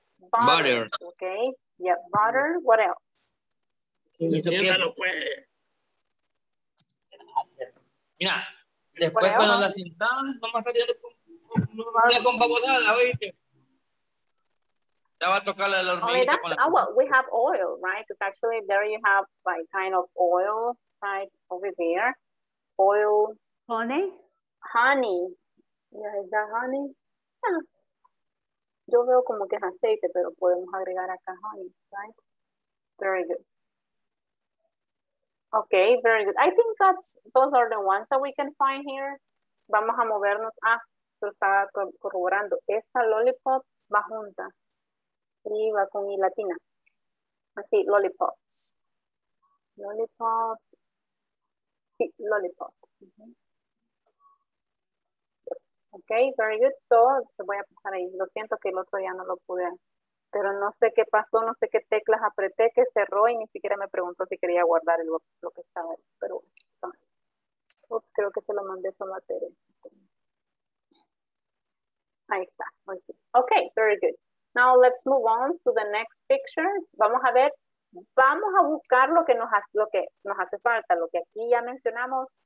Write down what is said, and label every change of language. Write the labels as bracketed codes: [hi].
[en] Butter. Ok. Yeah, butter. What else? [es] Mira, después cuando la sentada, vamos a salir con babosada, ¿viste? Ya va a tocar la hormiguita. [en] We have oil, right? Because actually there you have like kind of oil, right? Over there. Oil. Honey? Honey. Yeah, is that honey? [es] Yeah. Yo veo como que es aceite, pero podemos agregar acá honey, right? [en] Very good. Okay, very good. I think those are the ones that we can find here. [es] Vamos a movernos. Ah, se está corroborando. Esta lollipop va junta. Y va con I latina. Así, lollipops. Lollipop. Sí, lollipop. Mm-hmm. [en] Okay, very good. So, [es] se voy a pasar ahí. Lo siento que el otro ya no lo pude. Pero no sé qué pasó, no sé qué teclas apreté, que cerró y ni siquiera me preguntó si quería guardar lo que estaba ahí. Pero bueno, creo que se lo mandé solo a Tere. Ahí está. [en] Ok, very good. Now let's move on to the next picture. [es] Vamos a ver, vamos a buscar lo que nos hace falta, lo que aquí ya mencionamos.